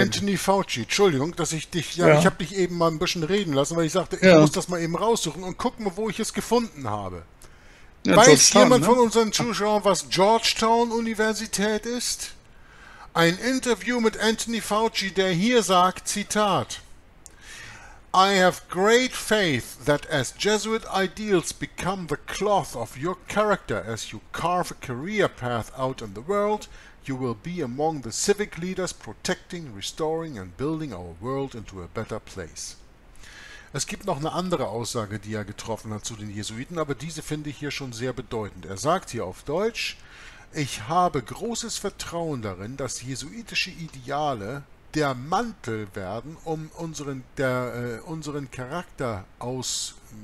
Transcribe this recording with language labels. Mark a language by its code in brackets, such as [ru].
[de] Anthony Fauci, Entschuldigung, dass ich dich, ich habe dich eben mal ein bisschen reden lassen, weil ich sagte, ich muss das mal eben raussuchen und gucken, wo ich es gefunden habe. Ja, weiß Georgetown, jemand von unseren Zuschauern, was Georgetown Universität ist? Ein Interview mit Anthony Fauci, der hier sagt, Zitat, [en] I have great faith that as Jesuit ideals become the cloth of your character, as you carve a career path out in the world, you will be among the civic leaders protecting, restoring and building our world into a better place. [de] Es gibt noch eine andere Aussage, die er getroffen hat zu den Jesuiten, aber diese finde ich hier schon sehr bedeutend. Er sagt hier auf Deutsch: Ich habe großes Vertrauen darin, dass jesuitische Ideale der Mantel werden, um unseren Charakter aus